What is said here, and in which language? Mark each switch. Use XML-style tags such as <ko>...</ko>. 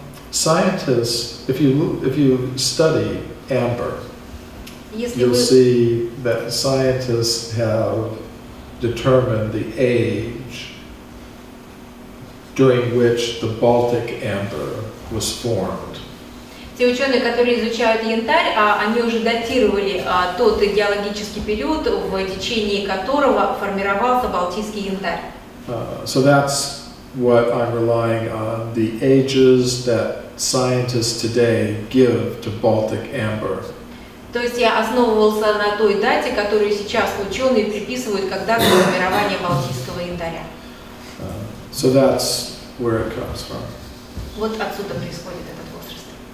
<en>Scientists, if you study amber, you'll see that scientists have determined the age during which the Baltic amber was formed.</en> <ru>Те ученые, которые изучают янтарь, они уже датировали тот геологический период, в течение которого формировался Балтийский янтарь.</ru> <en>So that's what I'm relying on, the ages that scientists today give to Baltic amber.</en> <ru>То есть я основывался на той дате, которую сейчас ученые приписывают когда-то формирование Балтийского янтаря.</ru> <en>So that's where it comes from.</en> <ru>Вот отсюда происходит этот возраст.</ru>